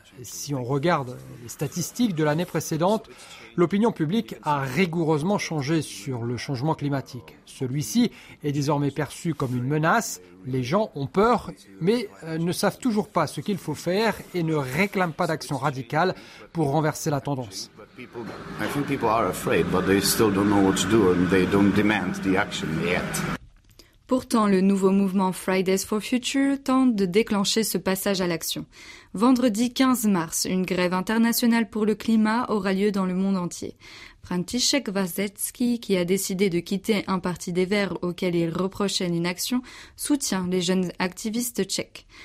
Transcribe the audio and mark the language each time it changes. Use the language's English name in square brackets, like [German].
[French] Si on regarde les statistiques de l'année précédente, l'opinion publique a rigoureusement changé sur le changement climatique. Celui-ci est désormais perçu comme une menace. Les gens ont peur, mais ne savent toujours pas ce qu'il faut faire et ne réclament pas d'action radicale pour renverser la tendance. [English] I think people are afraid, but they still don't know what to do and they don't demand the action yet. [French] Pourtant, le nouveau mouvement Fridays for Future tente de déclencher ce passage à l'action. Vendredi 15 mars, une grève internationale pour le climat aura lieu dans le monde entier. František Vozecký, qui a décidé de quitter un parti des Verts auquel il reprochait l'inaction, soutient les jeunes activistes tchèques.